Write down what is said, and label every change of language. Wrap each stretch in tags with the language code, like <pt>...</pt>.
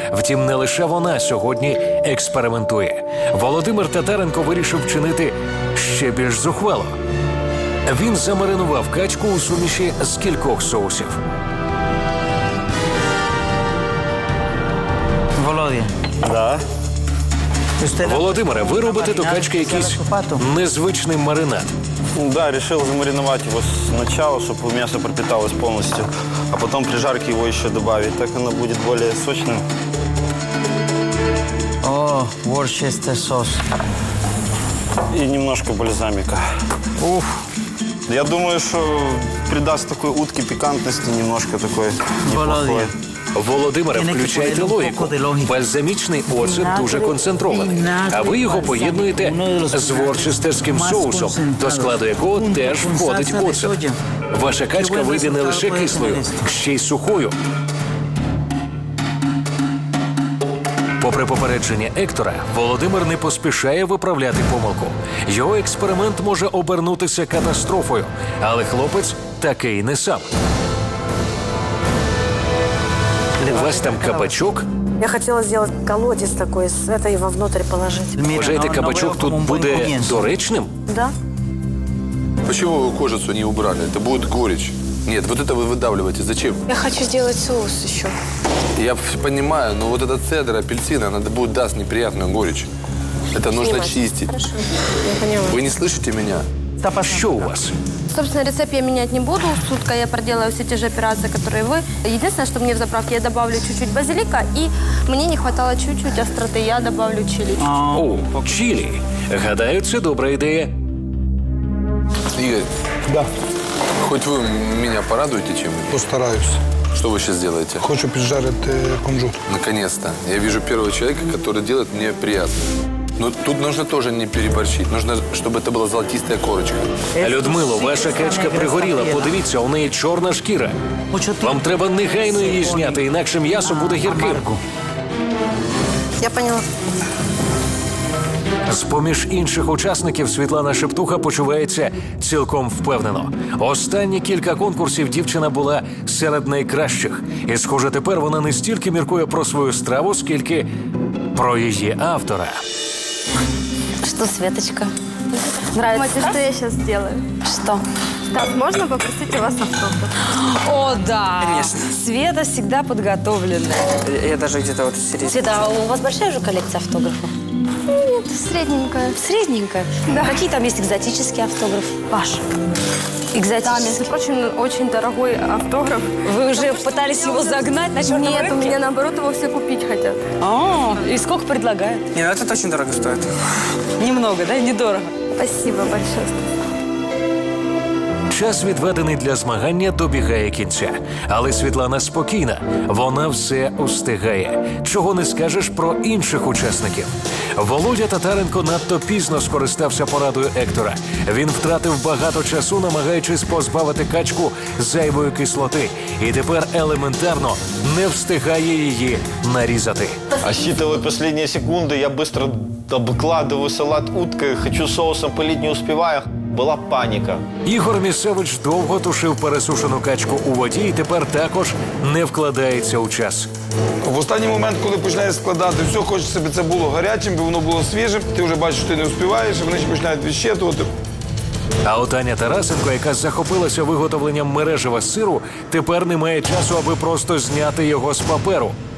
<uk>Втім, не лише вона сьогодні експериментує. Володимир Татаренко вирішив вчинити ще більш зухвало. Він замаринував качку у суміші з кількох соусів. Володя.</uk> <ru>Да.</ru> <uk>Володимире, ви робите до качки якийсь незвичний маринад.</uk> <ru>Да, решил замариновать его сначала, чтобы мясо пропиталось полностью, а потом при жарке его еще добавить. Так оно будет более сочным. О, ворчестер сос. И немножко бальзамика. Уф. Я думаю, что придаст такой утке пикантности немножко такой неплохой.</ru> <uk>Володимире, включайте логіку. Бальзамічний оцет дуже концентрований, а ви його поєднуєте з ворчестерським соусом, до складу якого теж входить оцет. Ваша качка вийде не лише кислою, ще й сухою. Попри попередження Ектора, Володимир не поспішає виправляти помилку. Його експеримент може обернутися катастрофою, але хлопець такий не сам. У вас там кабачок? Я хотіла зробити колодязь такий, з цієї вовнутрі положити. Вважаєте, кабачок тут буде доречним? Так. Чому ви кожицю не вбрали? Це буде горіч. Ні, от це ви видавлюєте.</uk> <ru>Зачем?</ru> <uk>Я хочу зробити соус ще. Я розумію, але ось ця цедра, апельсина, вона буде дати неприємну горіч. Це потрібно чистити. Ви не слышите мене? Що у вас?</uk> <ru>Собственно, рецепт я менять не буду. Сутка я проделаю все те же операции, которые вы. Единственное, что мне в заправке, я добавлю чуть-чуть базилика, и мне не хватало чуть-чуть остроты, я добавлю чили.</ru> <uk>О, чили. Гадаю, це</uk> <ru>добрая идея. Игорь. Да. Хоть вы меня порадуете чем-нибудь? Постараюсь. Что вы сейчас делаете? Хочу поджарить кунжут. Наконец-то. Я вижу первого человека, который делает мне приятно. Ну, тут нужно тоже не переборщить. Нужно, чтобы это была золотистая корочка.</ru> <uk>Людмило, ваша качка пригорела. Подивіться, у неї чорна шкіра. Вам треба негайно її зняти, інакше м'ясо буде гірким.</uk> <ru>Я поняла.</ru> <uk>З-поміж інших учасників Світлана Шептуха почувається цілком впевнено. Останні кілька конкурсів дівчина була серед найкращих. І, схоже, тепер вона не стільки міркує про свою страву, скільки про її автора.</uk> <ru>Что, Светочка? Нравится? Смотри, что я сейчас сделаю. Что? Стас, можно попросить у вас автограф? О, да! Конечно. Света всегда подготовленная. Я даже где-то вот серьезно. Света, а у вас большая же коллекция автографов? Нет, средненькая. Средненькая? Да. Какие там есть экзотические автографы? Ваш. Экзотический. Да, между прочим, очень дорогой автограф. Вы уже пытались его загнать на черном рынке? Нет, у меня наоборот, его все купить хотят. И сколько предлагают? Нет, этот очень дорого стоит. Немного, да? Недорого. Спасибо большое.</ru> <uk>Час, відведений для змагання, добігає кінця. Але Світлана спокійна. Вона все устигає. Чого не скажеш про інших учасників. Володя Татаренко надто пізно скористався порадою Ектора. Він втратив багато часу, намагаючись позбавити качку зайвої кислоти. І тепер елементарно не встигає її нарізати.</uk> <ru>А считывая последние секунды, я быстро обкладываю салат уткой, хочу соусом полить, не успеваю.</ru> <uk>Була паніка. Ігор Місевич довго тушив пересушену качку у воді і тепер також не вкладається у час. В останній момент, коли починаєш складати, все хочеться, щоб це було гарячим, бо воно було свіжим. Ти вже бачиш, що ти не успіваєш, і вони ще починають відщетувати. А от Аня Тарасенко, яка захопилася виготовленням мережева з сиру, тепер не має часу, аби просто зняти його з паперу.</uk>